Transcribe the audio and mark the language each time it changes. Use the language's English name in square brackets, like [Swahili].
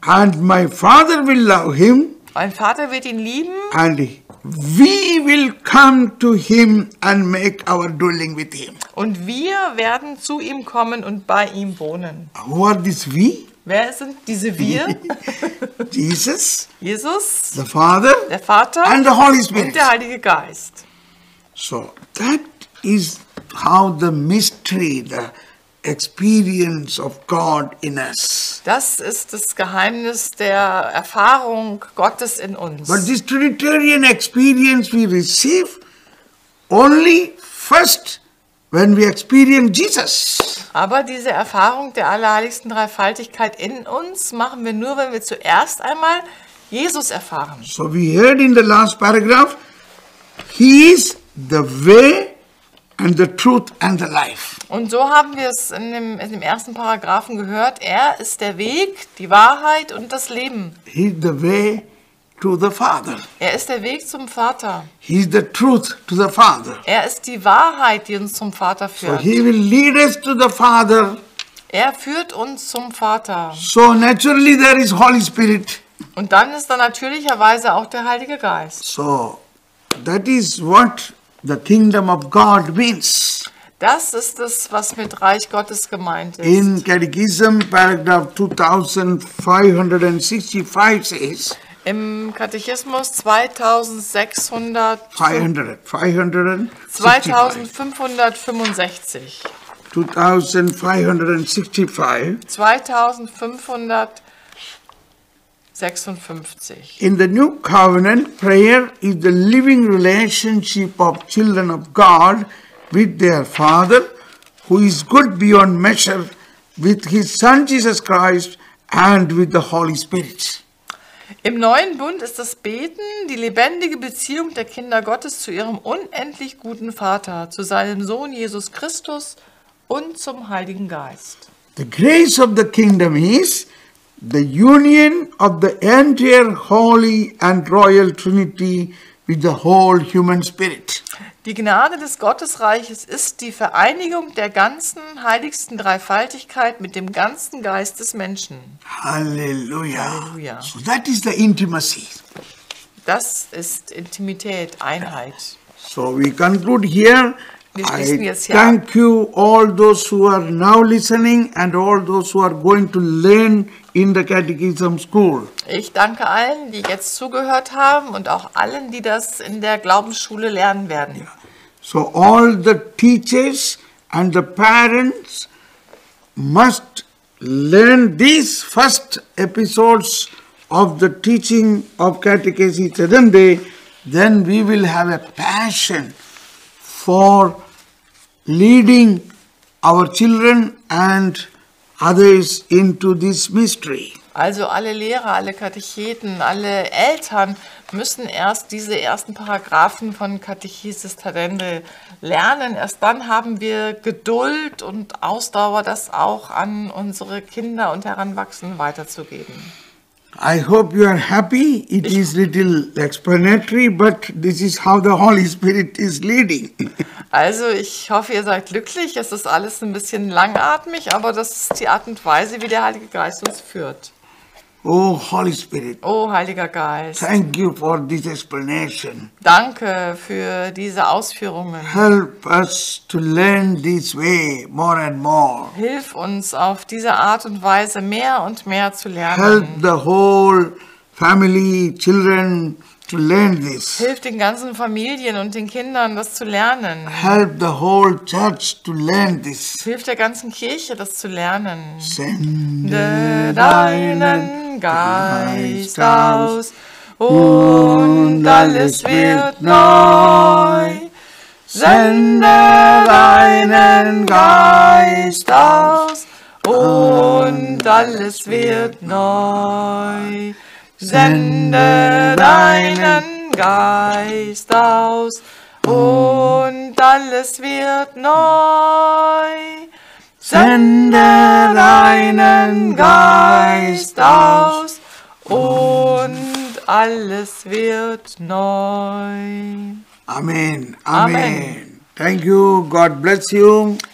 [English] And my Father will love him. [German] Mein Vater wird ihn lieben. [English] And we will come to him and make our dwelling with him. [German] Und wir werden zu ihm kommen und bei ihm wohnen. [English] Who are these we? [German] Wer sind diese wir? [English] Jesus, the Father, [German] der Vater, [English] and the Holy Spirit, [German] und der Heilige Geist. [English] So that is how the mystery, the experience of God in us. [German] Das ist das Geheimnis der Erfahrung Gottes in uns. [English] But this Trinitarian experience we receive only first when we experience Jesus. [German] Aber diese Erfahrung der allerheiligsten Dreifaltigkeit in uns machen wir nur, wenn wir zuerst einmal Jesus erfahren. [English] So we heard in the last paragraph, he is the way and the truth and the life. [German] Und so haben wir es in dem ersten Paragraphen gehört, er ist der Weg, die Wahrheit und das Leben. [English] He is the way to the Father. [German] Er ist der Weg zum Vater. [English] He is the truth to the Father. [German] Er ist die Wahrheit, die uns zum Vater führt. [English] So he will lead us to the Father. [German] Er führt uns zum Vater. [English] So naturally there is Holy Spirit. [German] Und dann ist da natürlicherweise auch der Heilige Geist. [English] So that is what the kingdom of God means. [German] Das ist das, was mit Reich Gottes gemeint ist. [English] In Catechism paragraph 2565 says. [German] Im Katechismus 2565. [English] In the New Covenant, prayer is the living relationship of children of God with their Father, who is good beyond measure, with his Son Jesus Christ and with the Holy Spirit. [German] Im Neuen Bund ist das Beten die lebendige Beziehung der Kinder Gottes zu ihrem unendlich guten Vater, zu seinem Sohn Jesus Christus und zum Heiligen Geist. [English] The grace of the kingdom is the union of the entire holy and royal Trinity with the whole human spirit. [German] Die Gnade des Gottesreiches ist die Vereinigung der ganzen heiligsten Dreifaltigkeit mit dem ganzen Geist des Menschen. Halleluja. Halleluja. [English] So that is the intimacy. [German] Das ist Intimität, Einheit. [English] So we conclude here [German] Wir schließen jetzt hier. [English] Thank you all those who are now listening and all those who are going to learn in the Catechism School. [German] Ich danke allen, die jetzt zugehört haben und auch allen, die das in der Glaubensschule lernen werden. [English] Yeah. So all the teachers and the parents must learn these first episodes of the teaching of Catechesi Chadande, then we will have a passion for leading our children and others into this mystery. [German] Also alle Lehrer, alle Katecheten, alle Eltern müssen erst diese ersten Paragraphen von Catechesis Tadende lernen. Erst dann haben wir Geduld und Ausdauer, das auch an unsere Kinder und Heranwachsenden weiterzugeben. [English] I hope you are happy. It is little explanatory, but this is how the Holy Spirit is leading. [German] Also, ich hoffe, ihr seid glücklich. Es ist alles ein bisschen langatmig, aber das ist die Art und Weise, wie der Heilige Geist uns führt. [English] Oh, Holy Spirit. [German] Oh, Heiliger Geist. [English] Thank you for this explanation. [German] Danke für diese Ausführungen. [English] Help us to learn this way more and more. [German] Hilf uns auf diese Art und Weise mehr und mehr zu lernen. [English] Help the whole family, children to learn this. [German] Hilf den ganzen Familien und den Kindern, das zu lernen. [English] Help the whole church to learn this. [German] Hilf der ganzen Kirche, das zu lernen. Sende deinen Geist aus und alles wird neu. Sende deinen Geist aus und alles wird neu. Sende deinen Geist aus und alles wird neu. Sende deinen Geist aus und alles wird neu. Amen. [English] Amen. Thank you. God bless you.